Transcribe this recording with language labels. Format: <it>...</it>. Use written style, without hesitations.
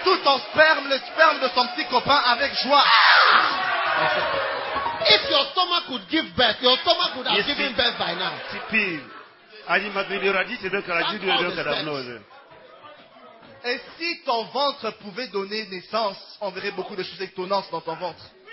<fr>tout ton sperme, le sperme de son petit copain avec joie.</fr> <en>If your stomach could give birth, your stomach would have given birth by now.</en> <fr>Et si ton ventre pouvait donner naissance, on verrait beaucoup de choses étonnantes dans ton ventre.</fr>